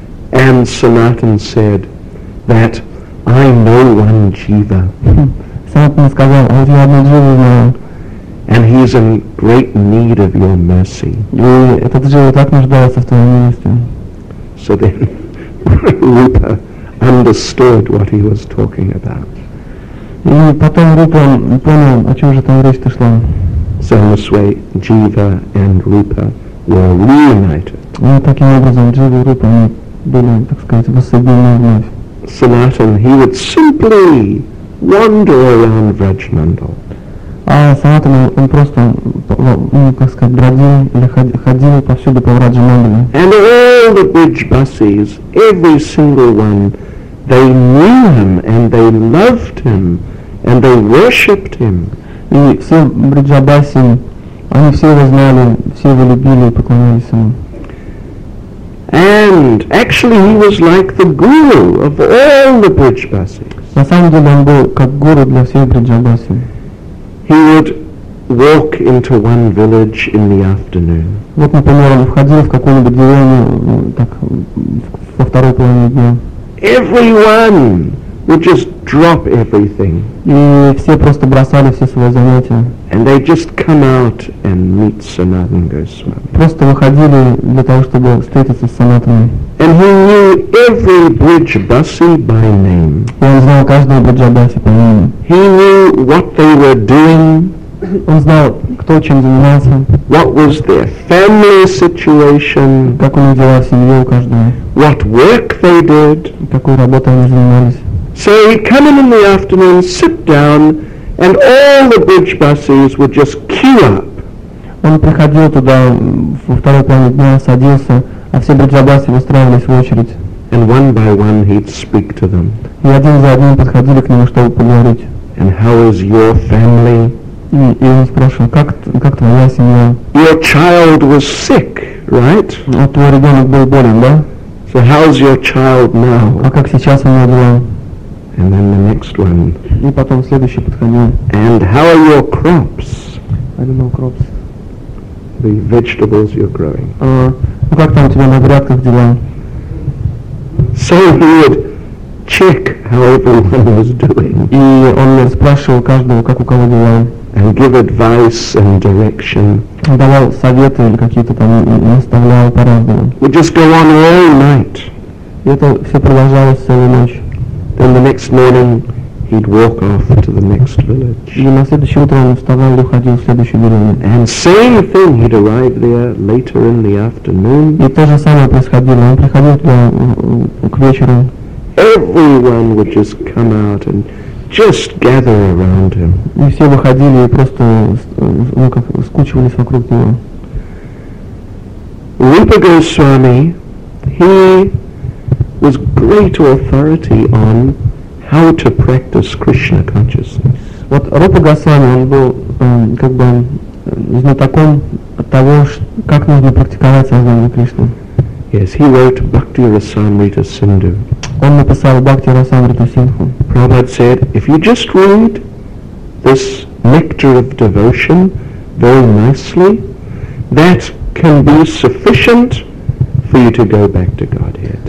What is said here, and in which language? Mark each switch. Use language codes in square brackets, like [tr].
[en] And Sanatana said that I know one Jiva. [ru] Sanatana сказал, а вот я одну Дживу знаю. [en] And he's in great need of your mercy. [ru] И этот Джива так нуждается в твоей милости. [en] So then Rupa understood what he was talking about. [ru] И потом Рупа понял, о чем же там речь-то шла. [en] So in this way, Jiva and Rupa were reunited. [ru] И таким образом Джива и Рупа были, так сказать, воссоединены вновь. [en] Sanatana, he would simply wander around Vrajmandal. [ru] А Санатана, он просто, ну, как сказать, бродил или ходил повсюду по Враджамандале. [en] And all the bridge buses, every single one, they knew him and they loved him and they worshipped him. [ru] И все бриджабаси, Они все его знали, все его любили и поклонялись ему. [en] And actually he was like the guru of all the Brijbasis. [ru] На самом деле он был как гуру для всех Бриджабаси. [en] He would walk into one village in the afternoon. [ru] Вот, например, он входил в какую-нибудь деревню, так, во второй половине дня. [en] Everyone would just drop everything. [ru] И все просто бросали все свои занятия. [en] And they just come out and meet Sanatan Goswami. [ru] Просто выходили для того, чтобы встретиться с Санатаной. [en] And he knew every Brijbasi by name. [ru] Он знал каждого Брижабаси по имени. [en] He knew what they were doing. [ru] Он знал, кто чем занимался. [en] What was their family situation? [ru] Как у них дела в семье у каждого? [en] What work they did? [ru] Какой работой они занимались? [en] So he'd come in the afternoon, sit down, and all the bridge buses would just queue up. [ru] Он приходил туда во второй половине дня, садился, а все бриджабасы выстраивались в очередь. [en] And one by one he'd speak to them. [ru] И один за одним подходили к нему, чтобы поговорить. [en] And how is your family? [ru] И он спрашивал, как твоя семья? [en] Your child was sick, right? [ru] А твой ребенок был болен, да? [en] So how's your child now? [ru] А как сейчас у него дела? [en] And then the next one. [ru] И потом следующий подходил. [en] And how are your crops? I don't know crops. The vegetables you're growing. [ru] Ну как там у тебя на грядках дела? [en] So he would check how everyone was doing. [ru] И он спрашивал каждого, как у кого дела. [en] And give advice and direction. [ru] Давал советы или какие-то там наставлял по-разному. [en] Would just go on all night. [ru] И это все продолжалось целую ночь. [en] Then the next morning, he'd walk off to the next village. [ru] И на следующее утро он вставал и уходил в следующую деревню. [en] And same thing, he'd arrive there later in the afternoon. [ru] И то же самое происходило. Он приходил туда к вечеру. [en] Everyone would just come out and just gather around him. [ru] И все выходили и просто, ну как, скучивались вокруг него. [en] Rupa Goswami, he was great authority on how to practice Krishna consciousness. [ru] Вот Рупа Госвами, он был как бы знатоком того, как нужно практиковать сознание Кришны. [en] Yes, he wrote Bhakti Rasamrita Sindhu. [ru] Он написал Бхакти Расамрита Синдху. [en] Prabhupada said, if you just read this nectar of devotion very nicely, that can be sufficient for you to go back to Godhead.